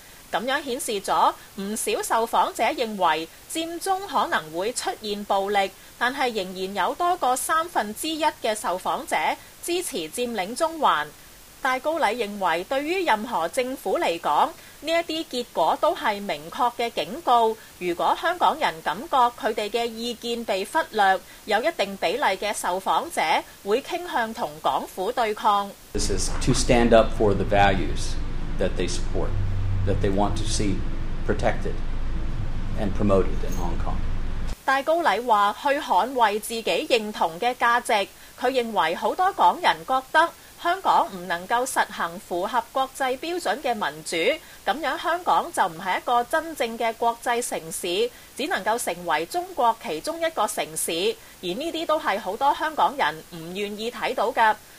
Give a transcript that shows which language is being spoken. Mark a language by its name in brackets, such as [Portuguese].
[Chinese] 這樣顯示了不少受訪者認為佔中可能會出現暴力，但是仍然有多過三分之一的受訪者支持佔領中環。戴高禮認為對於任何政府來說，這些結果都是明確的警告，如果香港人感覺他們的意見被忽略，有一定比例的受訪者會傾向與港府對抗。 [English] This is to stand up for the values that they support, that they want to see protected and promoted in Hong Kong. [Chinese] 戴高禮說去捍衛自己認同的價值，他認為很多港人覺得香港不能夠實行符合國際標準的民主，這樣香港就不是一個真正的國際城市，只能夠成為中國其中一個城市，而這些都是很多香港人不願意看到的。